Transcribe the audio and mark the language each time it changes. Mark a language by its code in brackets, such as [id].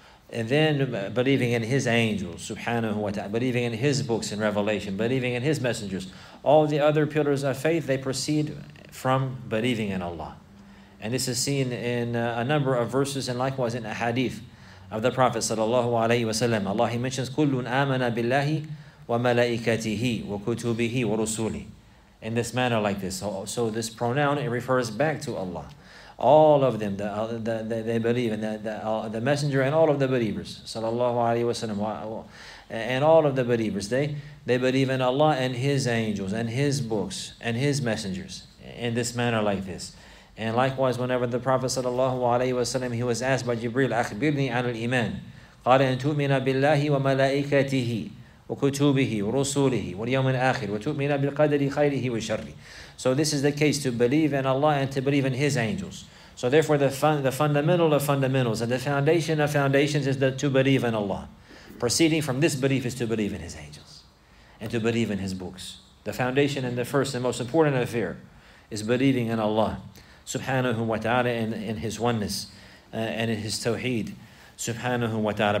[en] And then believing in His angels, subhanahu wa ta'ala, believing in His books and revelation, believing in His messengers. All the other pillars of faith, they proceed from believing in Allah. And this is seen in a number of verses and likewise in a hadith of the Prophet sallallahu alayhi wa sallam. Allah, He mentions, [ar] كُلٌّ آمَنَ بِاللَّهِ وَمَلَائِكَتِهِ وَكُتُوبِهِ وَرُسُولِهِ. [en] In this manner like this. So this pronoun, it refers back to Allah. All of them, they believe in the messenger and all of the believers, sallallahu alaihi wasallam, and all of the believers, they believe in Allah and His angels and His books and His messengers in this manner like this. And likewise, whenever the Prophet sallallahu alaihi wasallam, he was asked by Jibreel, [ar] أخبرني عن الإيمان قال أن تؤمن بالله وملائكته وكتبه ورسله واليوم الآخر وتؤمن بالقدر خيره وشره. [en] So this is the case, to believe in Allah and to believe in His angels. So therefore the fundamental of fundamentals and the foundation of foundations is to believe in Allah. Proceeding from this belief is to believe in His angels and to believe in His books. The foundation and the first and most important affair is believing in Allah subhanahu wa ta'ala in His oneness and in His tawheed subhanahu wa ta'ala.